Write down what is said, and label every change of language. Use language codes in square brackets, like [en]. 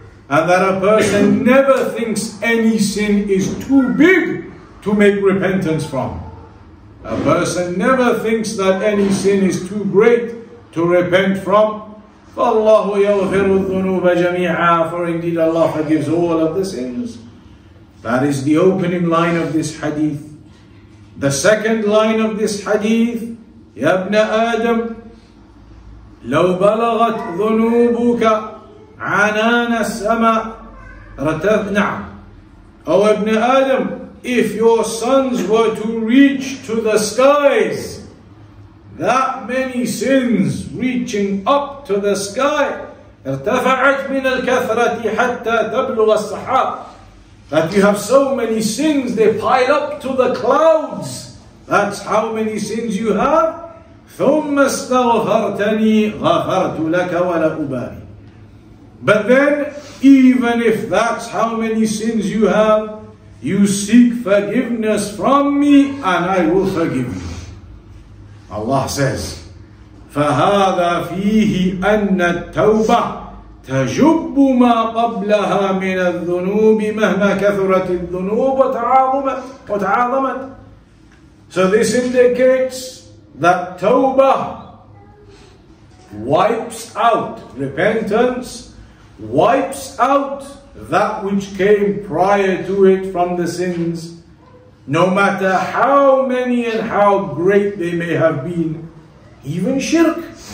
[en] And that a person never thinks any sin is too big to make repentance from. A person never thinks that any sin is too great to repent from. [ar] فَاللَّهُ يَغْفِرُ الذُّنُوبَ جَمِيعًا. [en] For indeed Allah forgives all of the sins. That is the opening line of this hadith. The second line of this hadith, [ar] يَا ابْنَ آدَمْ لَوْ بَلَغَتْ ذُنُوبُكَ عَنَانَ السَّمَاءِ رَتَبْنَعَ. [en] O ابن آدم, if your sins were to reach to the skies, that many sins reaching up to the sky, [ar] ارتفعت من الكثرة حتى تبلغ السحاب. [en] That you have so many sins, they pile up to the clouds. That's how many sins you have. [ar] ثم استغفرتني غفرت لك ولا أبالي. [en] But then, even if that's how many sins you have, you seek forgiveness from me and I will forgive you. Allah says, [ar] فَهَذَا فِيهِ أَنَّ التَّوْبَةِ تَجُبُّ مَا قَبْلَهَا مِنَ الذُّنُوبِ مَهْمَا كَثُرَتِ الذُّنُوبُ وَتَعَاظَمَتْ. [en] So this indicates that tawbah wipes out, repentance wipes out that which came prior to it from the sins, no matter how many and how great they may have been. Even shirk.